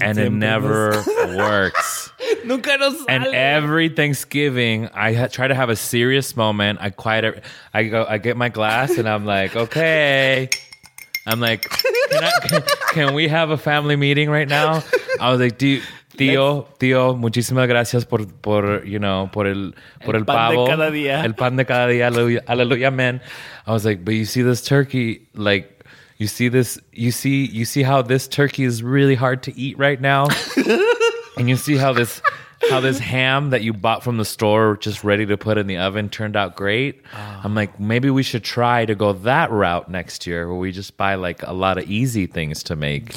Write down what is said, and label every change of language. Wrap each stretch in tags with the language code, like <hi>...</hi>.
<en>And it never works.</en> <es>Nunca nos sale.</es> <en>And every Thanksgiving, I try to have a serious moment. I get my glass and I'm like, okay. I'm like, can we have a family meeting right now? I was like,</en> <es>Tío, muchísimas gracias por</es> <en>you know,</en> <es>por el pan pavo. De cada día. El pan de cada día, aleluya, amen.</es> <en>I was like, but you see this turkey, like, you see how this turkey is really hard to eat right now? And you see how this ham that you bought from the store, just ready to put in the oven, turned out great? Oh. I'm like, maybe we should try to go that route next year, where we just buy, like, a lot of easy things to make.</en>